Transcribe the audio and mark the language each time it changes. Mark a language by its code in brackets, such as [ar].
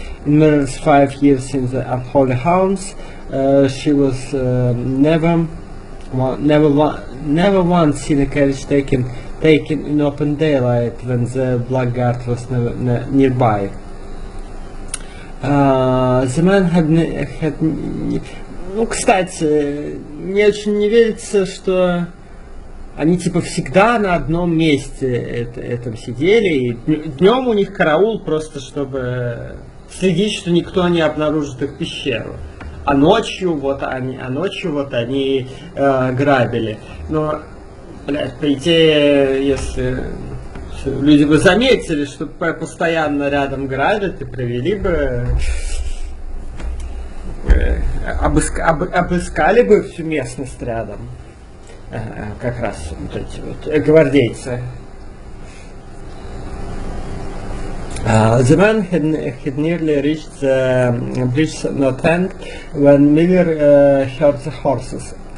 [en] In Miller's 5 years in the Unholy Hounds, she was never once seen a carriage taken in open daylight when the Blackguard was nearby. The man had... had [ru] ну, кстати, мне очень не верится, что они, типа, всегда на одном месте этом сидели, и днем у них караул просто, чтобы следить, что никто не обнаружит их пещеру. А ночью вот они грабили. Но, блядь, по идее, если люди бы заметили, что постоянно рядом грабят, и провели бы... обыскали бы всю местность рядом. Как раз вот эти вот гвардейцы. [en] The man had nearly reached the bridge not end when Miller heard the horses